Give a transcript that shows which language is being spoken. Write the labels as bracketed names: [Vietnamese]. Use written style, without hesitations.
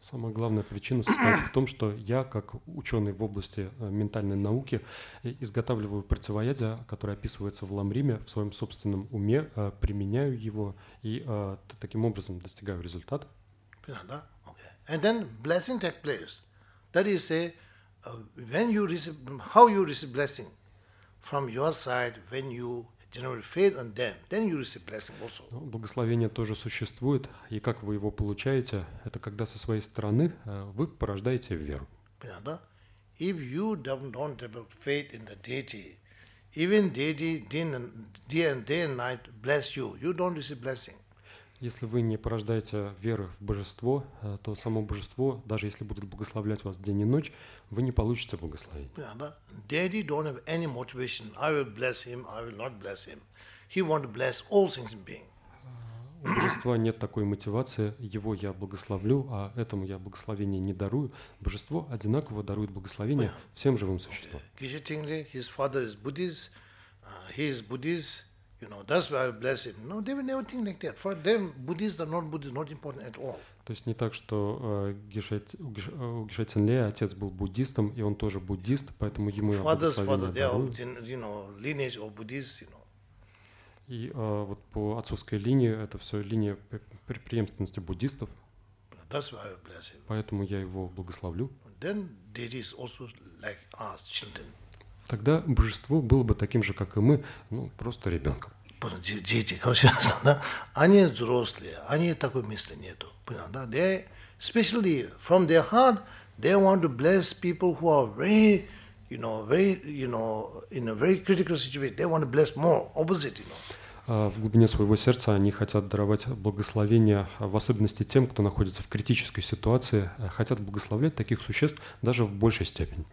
[Russian] Самая главная причина состоит в том, что я, как ученый в области ментальной науки, изготавливаю противоядие, которое описывается в Ламриме, в своем собственном уме, применяю его и таким образом достигаю результата. Да? [English] Okay. And then blessing takes place. That is a when you receive, how you receive blessing from your side when you generate faith on them, then you receive blessing also. [Russian] Ну, благословение тоже существует, и как вы его получаете, это когда со своей стороны вы порождаете веру. Да? [English] If you don't develop faith in the deity, even deity day and night bless you, you don't receive blessing. [Russian] Если вы не порождаете веры в божество, то само божество, даже если будет благословлять вас день и ночь, вы не получите благословение. У божества нет такой мотивации, его я благословлю, а этому я благословение не дарую. Божество одинаково дарует благословение всем живым существам. [English] Гиши Тингли, his father is Buddhist, he is Buddhist. You know, that's why I bless him. No, they will never think like that. For them, Buddhist or non-Buddhist, not important at all. [Russian] То есть не так, что у Гиши Тингли отец был буддистом, и он тоже буддист, поэтому ему я благословение дарую. [English] You know, lineage of Buddhist, you know. [Russian] И вот по отцовской линии это все линия преемственности буддистов. [English] That's why I bless him. [Russian] Поэтому я его благословлю. [English] Then there is also like us children. [Russian] Тогда божество было бы таким же, как и мы, ну, просто ребенком. Дети, конечно, да? Они взрослые, они такого места нету. Понятно, да? [English] They, especially from their heart, they want to bless people who are very, you know, very, you know, in a very critical situation. They want to bless more, opposite, you know. [Russian] В глубине своего сердца они хотят даровать благословение, в особенности тем, кто находится в критической ситуации, хотят благословлять таких существ даже в большей степени.